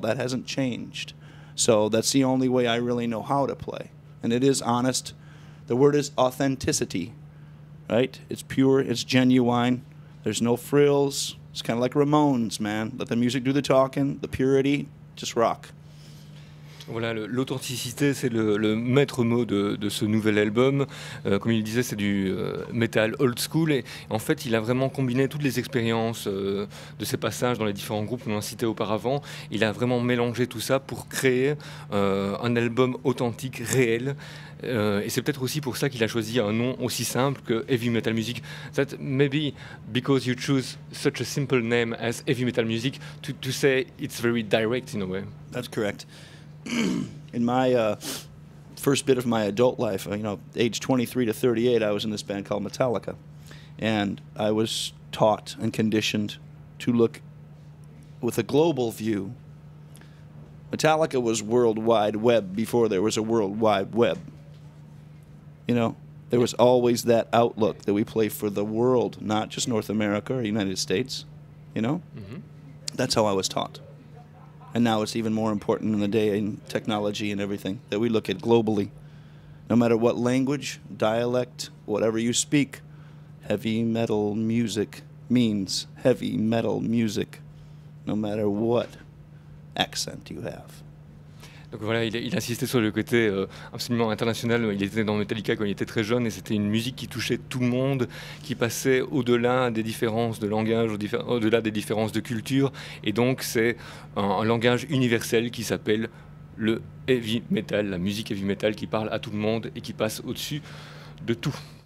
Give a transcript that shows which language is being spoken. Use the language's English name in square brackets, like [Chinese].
[English] That hasn't changed. So that's the only way I really know how to play. And it is honest, The word is authenticity, right? It's pure, it's genuine. There's no frills. It's kind of like Ramones, man. Let the music do the talking, the purity, just rock. [French] Voilà, l'authenticité, c'est le maître mot de ce nouvel album. Comme il disait, c'est du metal old school. Et en fait, il a vraiment combiné toutes les expériences de ses passages dans les différents groupes qu'on a cités auparavant. Il a vraiment mélangé tout ça pour créer un album authentique, réel. Et c'est peut-être aussi pour ça qu'il a choisi un nom aussi simple que Heavy Metal Music. [English] That maybe because you choose such a simple name as Heavy Metal Music, to say it's very direct in a way. That's correct. In my first bit of my adult life, you know, age 23 to 38, I was in this band called Metallica. And I was taught and conditioned to look with a global view. Metallica was World Wide Web before there was a World Wide Web. You know, there was always that outlook that we play for the world, not just North America or United States. You know, That's how I was taught. And now it's even more important in the day in technology and everything that we look at globally. No matter what language, dialect, whatever you speak, heavy metal music means heavy metal music, no matter what accent you have. [French] Donc voilà, il insistait sur le côté absolument international. Il était dans Metallica quand il était très jeune et c'était une musique qui touchait tout le monde, qui passait au-delà des différences de langage, au-delà des différences de culture. Et donc c'est un langage universel qui s'appelle le heavy metal, la musique heavy metal qui parle à tout le monde et qui passe au-dessus de tout.